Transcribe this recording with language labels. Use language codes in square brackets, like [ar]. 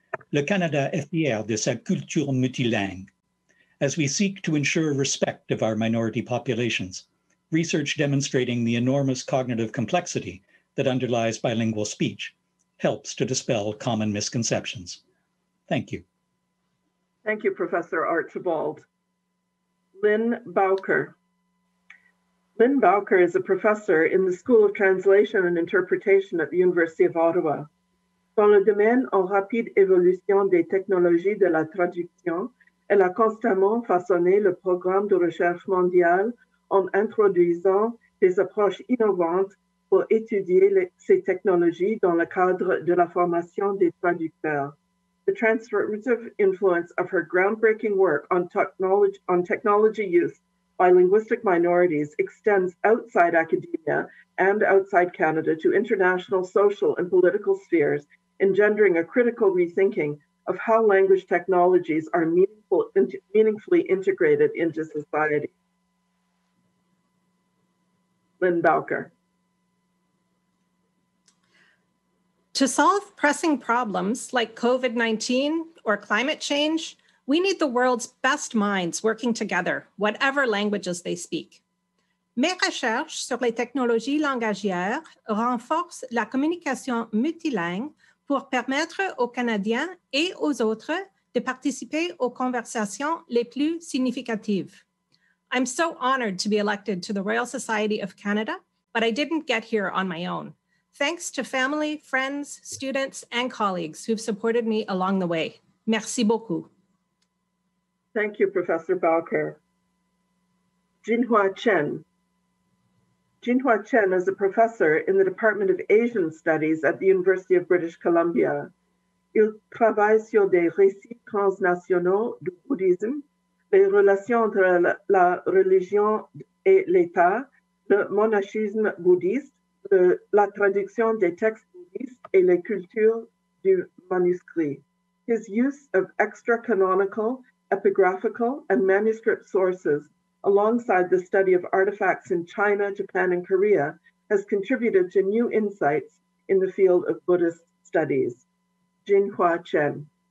[fr] Le Canada est fier de sa culture multilingue. [en] As we seek to ensure respect of our minority populations, research demonstrating the enormous cognitive complexity that underlies bilingual speech helps to dispel common misconceptions. Thank you. Thank you, Professor Archibald. Lynn Bowker. Lynn Bowker is a professor in the School of Translation and Interpretation at the University of Ottawa. [fr] Dans le domaine en rapide évolution des technologies de la traduction, elle a constamment façonné le programme de recherche mondial en introduisant des approches innovantes pour étudier ces technologies dans le cadre de la formation des traducteurs. [en] The transformative influence of her groundbreaking work on technology use by linguistic minorities extends outside academia and outside Canada to international social and political spheres, engendering a critical rethinking of how language technologies are meaningfully integrated into society. Lynn Bowker. To solve pressing problems like COVID-19 or climate change, we need the world's best minds working together, whatever languages they speak. [fr] Mes recherches sur les technologies langagières renforcent la communication multilingue pour permettre aux Canadiens et aux autres de participer aux conversations les plus significatives. [en] I'm so honored to be elected to the Royal Society of Canada, but I didn't get here on my own. Thanks to family, friends, students, and colleagues who've supported me along the way. [fr] Merci beaucoup. [en] Thank you, Professor Bowker. Jinhua Chen. Jinhua Chen is a professor in the Department of Asian Studies at the University of British Columbia. [fr] Il travaille sur des récits transnationaux du bouddhisme, les relations entre la religion et l'État, le monachisme bouddhiste, la traduction des textes bouddhistes et les cultures du manuscrit. [en] His use of extra-canonical, epigraphical, and manuscript sources, alongside the study of artifacts in China, Japan, and Korea, has contributed to new insights in the field of Buddhist studies. Jinhua Chen.